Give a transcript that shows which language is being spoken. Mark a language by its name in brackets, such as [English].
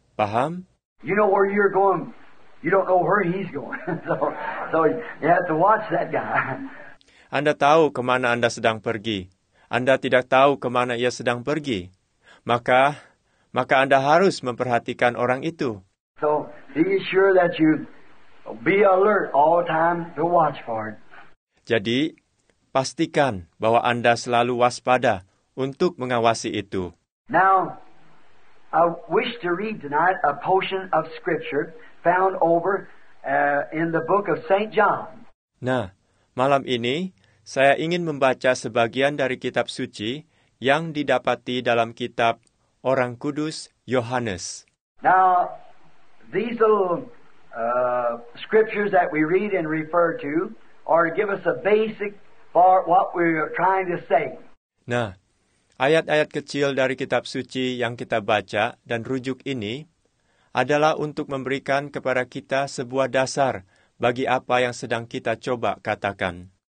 [Indonesian] Paham? [English] You know where you're going. You don't know where he's going. So you have to watch that guy. [Indonesian] Anda tahu ke mana Anda sedang pergi. Anda tidak tahu ke mana ia sedang pergi. Maka Anda harus memperhatikan orang itu. [English] So be sure that you be alert all time to watch for it. [Indonesian] Jadi pastikan bahwa Anda selalu waspada untuk mengawasi itu. [English] Now, I wish to read tonight a portion of scripture found over in the book of St. John. [Indonesian] Nah, malam ini saya ingin membaca sebagian dari kitab suci yang didapati dalam kitab orang kudus Yohanes. [English] Now, these little scriptures that we read and refer to are to give us a basic for what we're trying to say. [Indonesian] Nah, ayat-ayat kecil dari kitab suci yang kita baca dan rujuk ini adalah untuk memberikan kepada kita sebuah dasar bagi apa yang sedang kita coba katakan.